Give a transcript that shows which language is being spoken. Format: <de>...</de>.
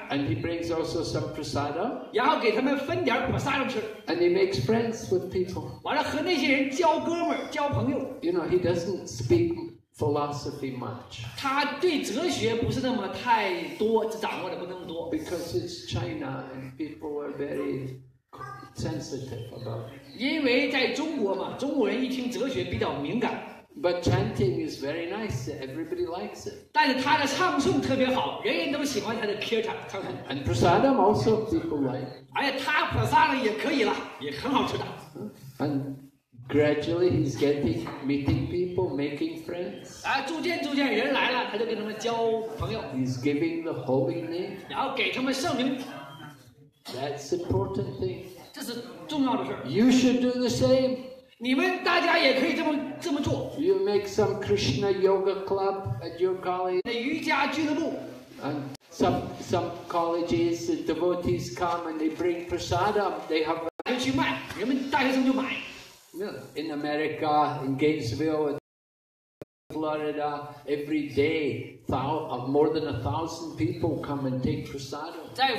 <en>And he brings also some prasada.</en> <zh>然后给他们分点 prasada 吃.</zh> <en>And he makes friends with people.</en> <zh>完了和那些人交哥们儿，交朋友。</zh> <en>You know, he doesn't speak philosophy much.</en> <zh>他对哲学不是那么太多，掌握的不那么多。</zh> <en>Because it's China and people are very sensitive about it.</en> <zh>因为在中国嘛，中国人一听哲学比较敏感。</zh> <en>But chanting is very nice. Everybody likes it.</en> <zh>但是他的唱诵特别好，人人都喜欢他的kirtan唱诵。</zh> <en>And prasadam also people like.</en> <zh>哎呀，他prasadam也可以了，也很好吃的。</zh> <en>And gradually he's getting meeting people, making friends.</en> <zh>啊，逐渐逐渐人来了，他就跟他们交朋友。</zh> <en>He's giving the holy name.</en> <zh>然后给他们圣名。</zh> <en>That's important thing.</en> <zh>这是重要的事。</zh> <en>You should do the same.</en> <zh>你们大家也可以这么做。</zh> <en>You make some Krishna yoga club at your college.</en> <zh>那瑜伽俱乐部。</zh> <en>And some colleges, the devotees come and they bring prasadam. They have.</en> <zh>去卖，人们大学生就买。</zh> <en>In America, in Gainesville, Florida, every day, more than 1,000 people come and take prasadam.</en>